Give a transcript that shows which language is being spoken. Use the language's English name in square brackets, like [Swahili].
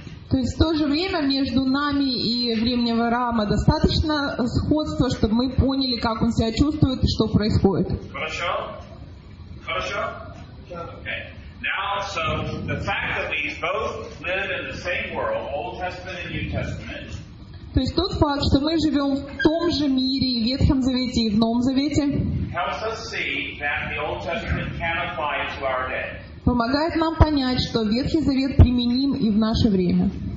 [Russian] То есть в то же время между нами и временем Авраама достаточно сходства, чтобы мы поняли, как он себя чувствует и что происходит. Хорошо? Хорошо? Okay. [English] Now, so the fact that we both live in the same world, Old Testament and New Testament. [Russian] То есть тот факт, что мы живем в том же мире, в Ветхом Завете и в Новом Завете, [English] helps us see that the Old Testament can apply to our day. [Russian] Помогает нам понять, что Ветхий Завет применим и в наше время.